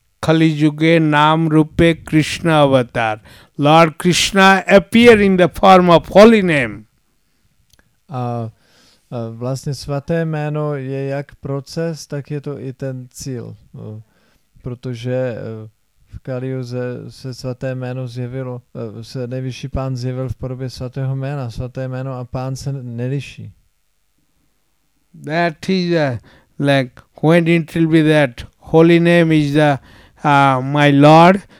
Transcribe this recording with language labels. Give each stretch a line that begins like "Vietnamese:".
Sanskrit: Kali Yuga Naam Rupe Krishna Avatar.
English: Lord Krishna appear in the form of holy name.
Czech: Vlastne svaté jméno je jak proces, tak je to i ten cíl. Protože v Kaliuze se svaté jméno zjevilo, se nejvyšší pán zjevil v podobě svatého jména. Svaté jméno a pán se neliší.
English: That is like when it will be that holy name is the my Lord.